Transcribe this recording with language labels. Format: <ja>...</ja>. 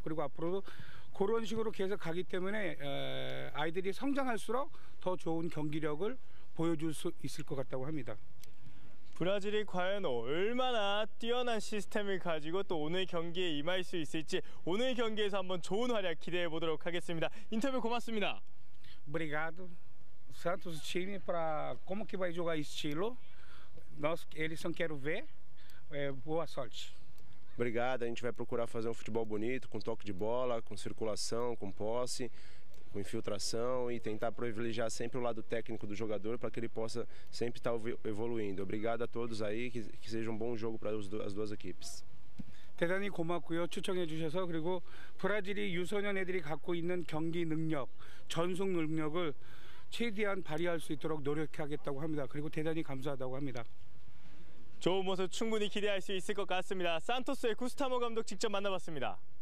<ko>그리고 앞으로도 그런 식으로 계속 가기 때문에 아이들이 성장할수록 더 좋은 경기력을 보여줄 수 있을 것 같다고 합니다. 브라질이 과연 얼마나 뛰어난 시스템을 가지고 또 오늘 경기에 임할 수 있을지 오늘 경기에서 한번 좋은 활약 기대해 보도록 하겠습니다. 인터뷰 고맙습니다.</ko> <pt>Obrigado. Santos time para como que vai jogar estilo? Nós eles são quero ver. Boa sorte. Obrigado. A gente vai procurar fazer um futebol bonito, com toque de bola, com circulação, com posse, com infiltração e tentar privilegiar sempre o lado técnico do jogador para que ele possa sempre estar evoluindo. Obrigado a todos aí, que seja um bom jogo para as duas equipes.</pt> <ko>대단히 고맙고요. 추천해 주셔서 그리고 브라질이 유소년 애들이 갖고 있는 경기 능력, 전속 능력을 최대한 발휘할 수 있도록 노력하겠다고 합니다. 그리고 대단히 감사하다고 합니다. 좋은 모습 충분히 기대할 수 있을 것 같습니다. 산토스의 구스타모 감독 직접 만나봤습니다.</ko>